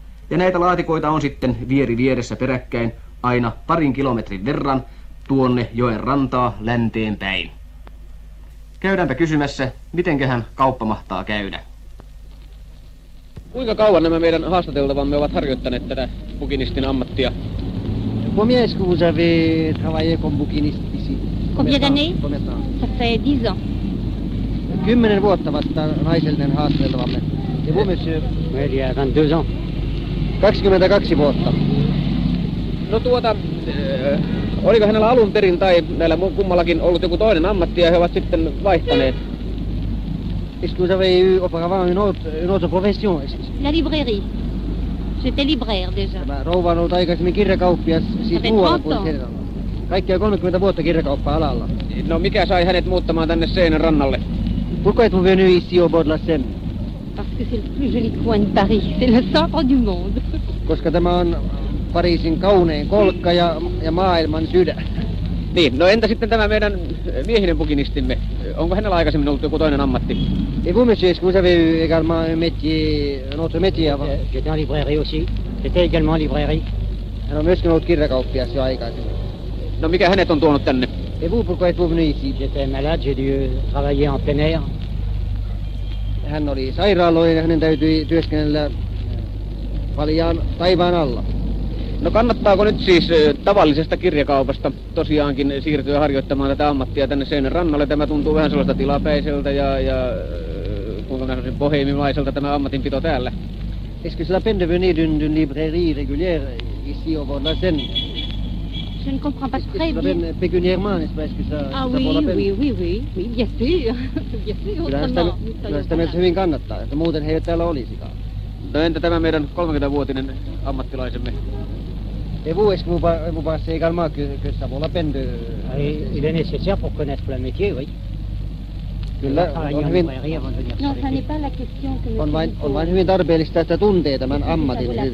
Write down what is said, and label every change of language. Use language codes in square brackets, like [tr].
[fi] Ja näitä laatikoita on sitten vieri vieressä peräkkäin aina parin kilometrin verran tuonne joen rantaa länteen päin. Käydäänpä kysymässä, mitenköhän kauppa mahtaa käydä. Kuinka kauan nämä meidän haastateltavamme ovat harjoittaneet tätä bukinistin ammattia? [fr] Combien que vous avez travaillé comme bukinist ici? Combien d'années? Ça fait 10 ans. [fi] 10 vuotta vasta naisellinen haastateltavamme. [fr] Et vous, monsieur? [fi] Meillä on [fr] 22 ans. [fi] 22 vuotta. No tuota, oliko hänellä alun perin tai näillä kummallakin ollut joku toinen ammatti ja he ovat sitten vaihtaneet? [fr] Est-ce que vous avez eu auparavant une autre profession? La librairie. J'étais libraire déjà. [fi] Tämä rouva on ollut aikaisemmin kirjakauppias, siis muualla kuin siellä. Kaikkia 30 vuotta kirjakauppa-alalla. No mikä sai hänet muuttamaan tänne seinän rannalle? [fr] Pourquoi êtes-vous venu ici au bord de la Seine? Parce que c'est le plus joli coin de Paris. C'est le centre du monde. [fi] Koska tämä on Pariisin kaunein kolkka ja maailman sydän. Niin, no entä sitten tämä meidän miehinen bukinistimme? Onko hänellä aikaisemmin ollut joku toinen ammatti? [fr] Et vous, monsieur, est-ce que vous avez également un métier, un autre métier avant? J'étais en librairie aussi. J'étais également en librairie. [fi] Hän on myöskin ollut kirjakauppias jo aikaisemmin. No mikä hänet on tuonut tänne? [fr] Et vous, pourquoi êtes-vous venu ici? J'étais malade, j'ai dû travailler en plein air. [fi] Hän oli sairaaloinen ja hänen täytyi työskennellä paljaan taivaan alla. No kannattaako nyt siis tavallisesta kirjakaupasta tosiaankin siirtyä harjoittamaan tätä ammattia tänne seinän rannalle? Tämä tuntuu vähän sellaista tilapäiseltä ja kuinka mä sanoisin boheemimaiselta tämä ammatinpito täällä. [fr] Est-ce que cela peine de venir d'une librairie régulière ici au bord de la Seine? Je ne comprends pas très bien. Pécuniairement, n'est-ce pas? Est-ce que ça vaut la peine? Ah oui, bien sûr. [fi] Kyllähän sitä myös hyvin kannattaa, että muuten he eivät täällä olisikaan. No entä tämä meidän 30-vuotinen ammattilaisemme? [fr] Et vous, est-ce que vous pensez également que ça vaut la peine de... Il est nécessaire pour connaître le métier, oui. [fi] Kyllä, on hyvin... No, hän ei päällä kestiä, kun... On vain hyvin tarpeellista, että tuntee tämän ammatin.